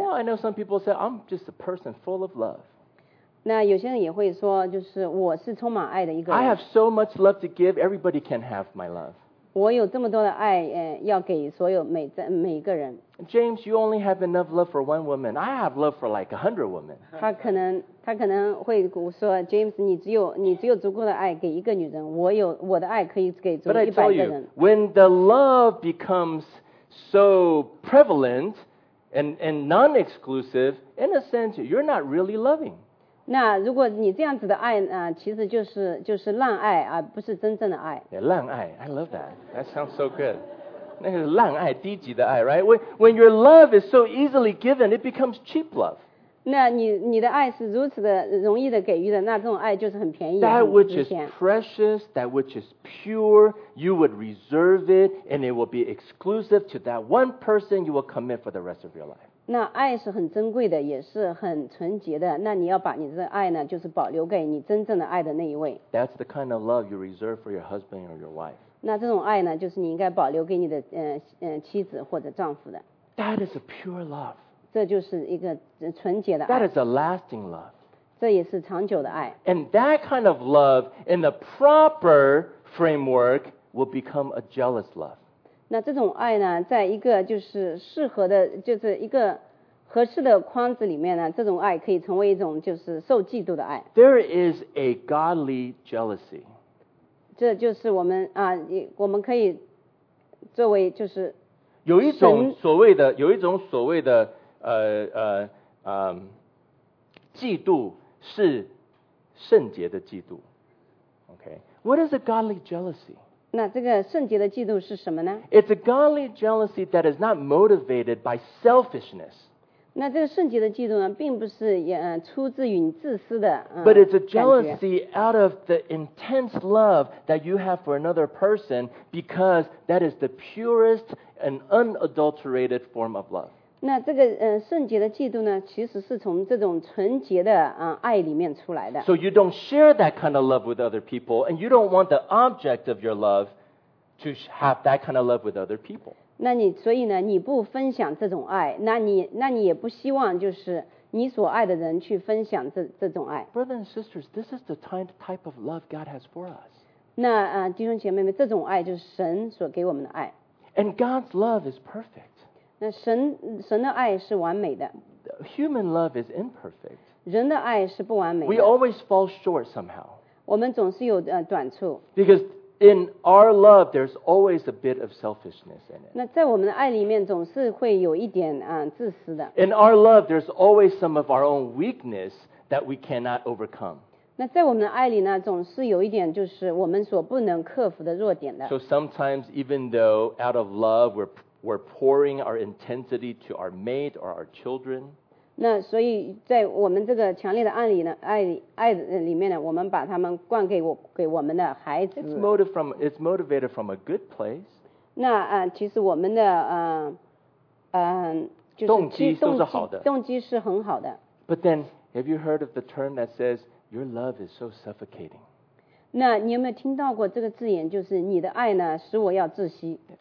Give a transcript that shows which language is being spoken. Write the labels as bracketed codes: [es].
[en] Well, I know some people say I'm just a person full of love. [zh] 那有些人也会说就是我是充满爱的一个人。 [en] I have so much love to give, everybody can have my love. [zh] 我有这么多的爱要给所有每一个人。 [en] James, you only have enough love for one woman. I have love for like 100 women. [zh] 他可能会说 James, 你只有足够的爱给一个女人，我的爱可以给足100个人。 [en] But I tell you, when the love becomes so prevalent and non-exclusive, in a sense, you're not really loving. [zh] 那如果你这样子的爱其实就是滥爱而不是真正的爱。 [en] Yeah, 滥爱, I love that. That sounds so good. [zh] 那是烂爱，低级的爱 ， [en] right? When your love is so easily given, it becomes cheap love. [zh] 那你的爱是如此的容易的给予的，那这种爱就是很便宜。 [en] That which is precious, that which is pure, you would reserve it, and it will be exclusive to that one person you will commit for the rest of your life. [zh] 那爱是很珍贵的，也是很纯洁的。那你要把你的爱呢，就是保留给你真正的爱的那一位。 [en] That's the kind of love you reserve for your husband or your wife. [zh] 那这种爱呢，就是你应该保留给你的妻子或者丈夫的。 [en] That is a pure love. [zh] 这就是一个纯洁的爱。 [en] That is a lasting love. [zh] 这也是长久的爱。 [en] And that kind of love in the proper framework will become a jealous love. [zh] 那这种爱呢，在一个就是适合的，就是一个合适的框子里面呢，这种爱可以成为一种就是受嫉妒的爱。 [en] There is a godly jealousy. [zh] 这就是我们啊，我们可以作为就是有一种所谓的嫉妒是圣洁的嫉妒。 [en] Okay, what is a godly jealousy? [zh] 那这个圣洁的嫉妒是什么呢 [en] ？It's a godly jealousy that is not motivated by selfishness. [zh] 那这个圣洁的嫉妒呢，并不是出自于你自私的。 [en] But it's a jealousy out of the intense love that you have for another person because that is the purest and unadulterated form of love. [zh] 那这个圣洁的嫉妒呢，其实是从这种纯洁的爱里面出来的。 [en] So you don't share that kind of love with other people and you don't want the object of your love to have that kind of love with other people. [zh] 那你所以呢？你不分享这种爱，那你也不希望就是你所爱的人去分享这种爱。 [en] Brothers and sisters, this is the type of love God has for us. [zh] 那弟兄姐妹们，这种爱就是神所给我们的爱。 [en] And God's love is perfect. [zh] 那神的爱是完美的。 [en] Human love is imperfect. [zh] 人的爱是不完美的。 [en] We always fall short somehow. [zh] 我们总是有短处。 [en] Because in our love, there's always a bit of selfishness in it. [zh] 那在我们的爱里面总是会有一点自私的。 [en] In our love, there's always some of our own weakness that we cannot overcome. [zh] 那在我们的爱里呢，总是有一点就是我们所不能克服的弱点的。 [en] So sometimes, even though out of love, we're pouring our intensity to our mate or our children. [zh] 那所以在我们这个强烈的爱里呢，爱里面呢，我们把他们灌给我们的孩子。 [en] It's motivated from a good place. [zh] 那其实我们的就是动机都是好的，动机是很好的。 [en] But then, have you heard of the term that says your love is so suffocating? [zh] 那你有没有听到过这个字眼，就是你的爱呢，使我要窒息